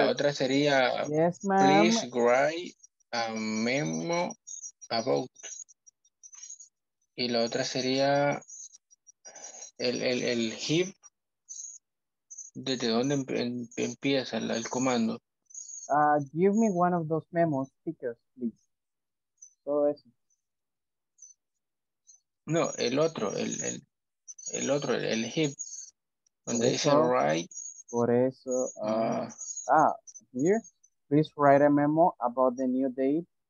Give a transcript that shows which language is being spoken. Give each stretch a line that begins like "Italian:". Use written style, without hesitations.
Spanish: Y la otra sería,
English: yes, ma'am. Please write a memo about.
Spanish: Y la otra sería el hip, ¿desde dónde empieza el comando?
English: Give me one of those memo stickers, please.
Spanish: Todo eso. No, el otro, el otro, el hip, donde por dice write. Por eso.
English: Here, please write a memo about the new date.